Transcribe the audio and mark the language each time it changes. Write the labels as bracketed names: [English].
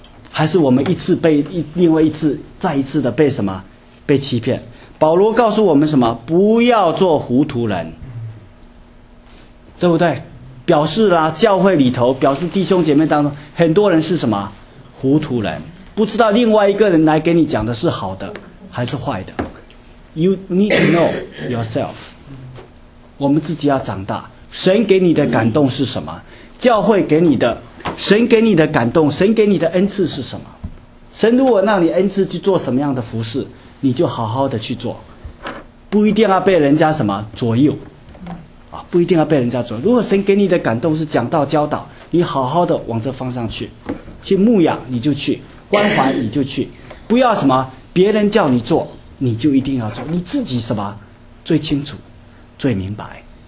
[Chinese] 还是我们一次被另外一次再一次的被什么被欺骗？保罗告诉我们什么？不要做糊涂人，对不对？表示啦，教会里头表示弟兄姐妹当中很多人是什么糊涂人，不知道另外一个人来给你讲的是好的还是坏的。 [English] You need to know yourself. [Chinese] 我们自己要长大。神给你的感动是什么？教会给你的，神给你的感动，神给你的恩赐是什么？神如果让你恩赐去做什么样的服事，你就好好的去做，不一定要被人家什么左右，啊，不一定要被人家左右。如果神给你的感动是讲道教导，你好好的往这方向去，去牧养你就去，关怀你就去，不要什么别人叫你做，你就一定要做，你自己什么最清楚，最明白。